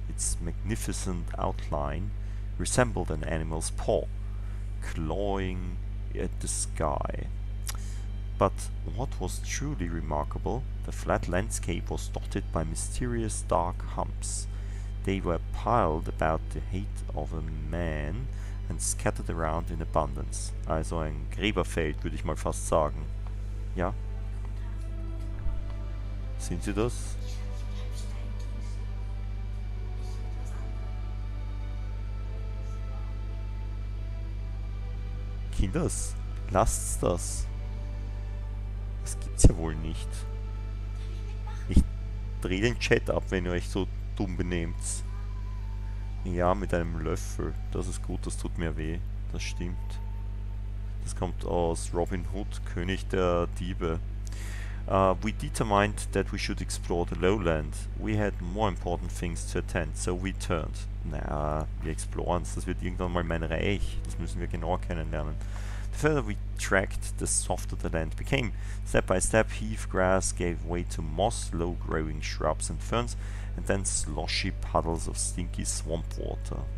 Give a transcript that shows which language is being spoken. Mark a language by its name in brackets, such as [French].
[English] Its magnificent outline resembled an animal's paw, clawing at the sky. But what was truly remarkable, the flat landscape was dotted by mysterious dark humps. They were piled about the height of a man and scattered around in abundance. [German] Also ein Gräberfeld, würde ich mal fast sagen. Ja? Sehen Sie das? Kinders, lasst's das. Das gibt's ja wohl nicht. Ich drehe den Chat ab, wenn ihr euch so dumm benehmt. Ja, mit einem Löffel. Das ist gut, das tut mir weh. Das stimmt. Das kommt aus Robin Hood, König der Diebe. [English] We determined that we should explore the lowland. We had more important things to attend, so we turned. [German] Naja, wir exploren's. Das wird irgendwann mal mein Reich. Das müssen wir genauer kennenlernen. [English] The further we tracked, the softer the land became. Step by step, heath grass gave way to moss, low-growing shrubs and ferns, and then sloshy puddles of stinky swamp water.